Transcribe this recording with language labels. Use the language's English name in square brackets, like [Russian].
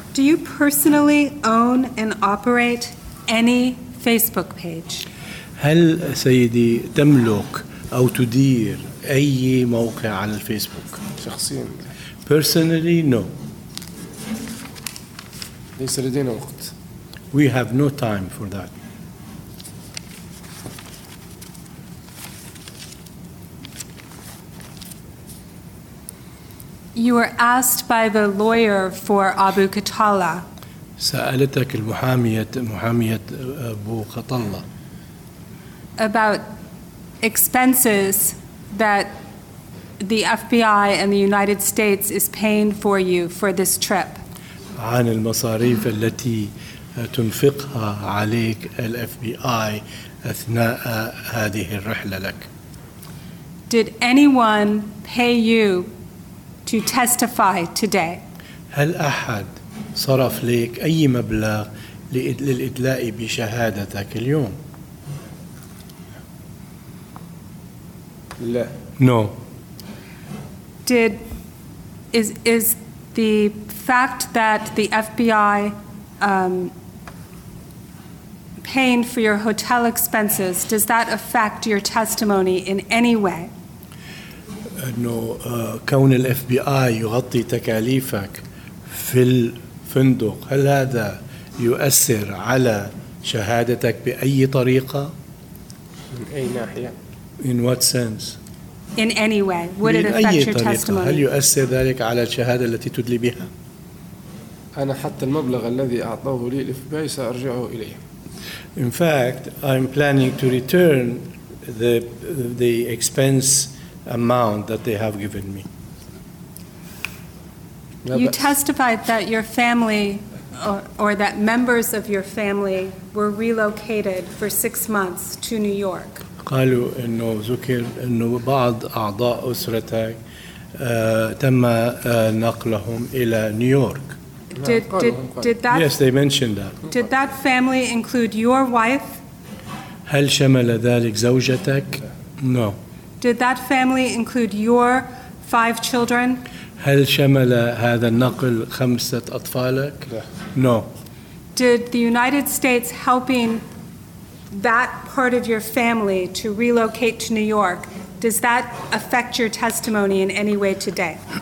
[English] Do you personally own and operate any Facebook page? [Arabic] هل سيدي تملك أو تدير أي موقع على الفيسبوك؟ شخصياً. [English] Personally, no. [Arabic] ليس لدينا وقت. [English] We have no time for that. You were asked by the lawyer for Abu Qatala. [Arabic] سألتك المحامية محامية أبو قطلة. [English] About expenses that the FBI and the United States is paying for you for this trip. [Arabic] عن المصاريف التي تنفقها عليك ال FBI أثناء هذه الرحلة لك. [English] Did anyone pay you to testify today? [Arabic] هل أحد صرف لك أي مبلغ للإدلاء بشهادتك اليوم؟ [English] No. Is the fact that the FBI paying for your hotel expenses, does that affect your testimony in any way? [Arabic] إنه كون الـ FBI يغطي تكاليفك في الفندق هل هذا يؤثر على شهادتك بأي طريقة؟ من أي ناحية؟ [English] In what sense? In any way, would it affect your طريقة؟ testimony? [Arabic] هل يؤثر ذلك على الشهادة التي تدلي بها؟ أنا حتى المبلغ الذي أعطاه لي الـ FBI سأرجعه إليه. [English] In fact, I'm planning to return the expense amount that they have given me. You testified that your family or that members of your family were relocated for 6 months to New York. [Arabic] قالوا إنه ذكر إنه بعض أعضاء أسرتك تم نقلهم إلى نيويورك. [English] Did that? Yes, they mentioned that. Did that family include your wife? [Arabic] هل شمل ذلك زوجتك؟ [English] No. Did that family include your five children? [Arabic] هل شمل هذا النقل خمسة أطفالك؟ [English] No. Did the United States helping that part of your family to relocate to New York, does that affect your testimony in any way today?